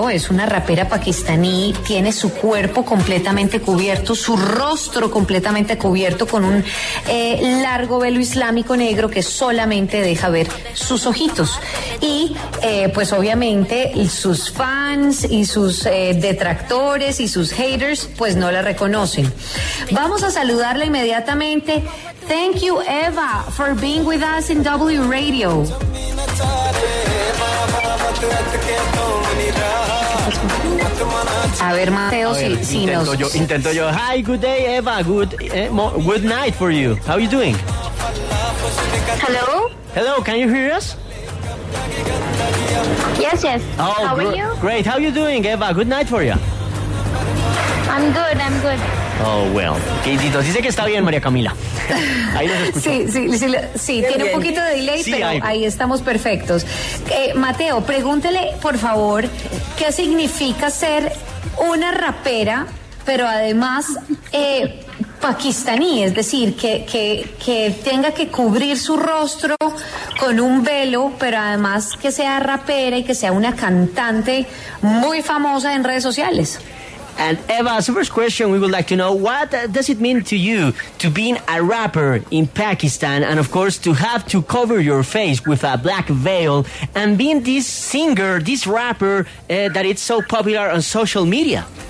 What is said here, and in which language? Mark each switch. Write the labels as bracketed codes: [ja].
[es] Es una rapera pakistaní, tiene su cuerpo completamente cubierto, su rostro completamente cubierto con un largo velo islámico negro que solamente deja ver sus ojitos. Y pues obviamente sus fans y sus detractores y sus haters pues no la reconocen. Vamos a saludarla inmediatamente. [en] Thank you Eva for being with us in W Radio. [es] A ver, Mateo, intento yo. [en] Hi, good day, Eva. Good night for you. How are you doing? Hello? Hello, can you hear us? Yes, yes. Oh, how are you? Great. How are you doing, Eva? Good night for you. I'm good. Oh, well, [es] queridos, dice que está bien, María Camila. Ahí nos escuchó. Sí, tiene un poquito de delay, sí, pero ahí estamos perfectos. Mateo, pregúntele, por favor, ¿qué significa ser una rapera, pero además pakistaní? Es decir, que tenga que cubrir su rostro con un velo, pero además que sea rapera y que sea una cantante muy famosa en redes sociales. [en] And Eva, the first question we would like to know, what does it mean to you to be a rapper in Pakistan and, of course, to have to cover your face with a black veil and being this singer, this rapper, that it's so popular on social media?